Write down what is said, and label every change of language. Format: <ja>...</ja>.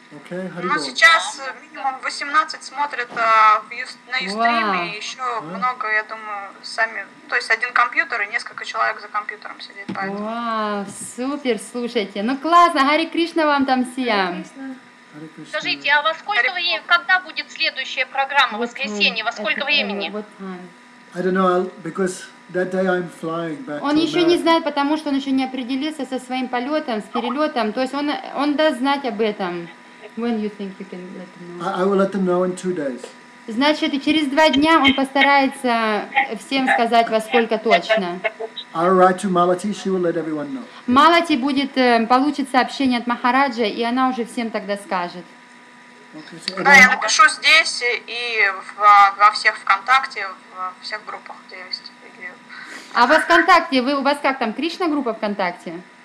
<ru>Ну сейчас минимум 18 смотрят на Юстриме, и еще много, я думаю, сами. То есть один компьютер и несколько человек за компьютером сидит. Поэтому. Вау, супер, слушайте. Ну классно, Харе Кришна вам там сиям. Скажите, а во сколько времени, когда будет следующая программа в воскресенье, во сколько времени?</ru> <en>I don't know, because that day I'm flying back.</en> <ru>Он еще не знает, потому что он еще не определился со своим полетом, с перелетом. То есть он даст знать об этом.</ru> <en>When you think you can let them know? I will let them know in 2 days.</en> <ru>Значит, и через 2 дня он постарается всем сказать, во сколько точно.</ru> <en>I'll write to Malati, she will let everyone know.</en> <ru>Малати будет получит сообщение от Махараджа, и она уже всем тогда скажет. Да, я напишу здесь и во всех ВКонтакте, во всех группах, где есть. А во ВКонтакте, у вас как там, Кришна группа ВКонтакте?</ru>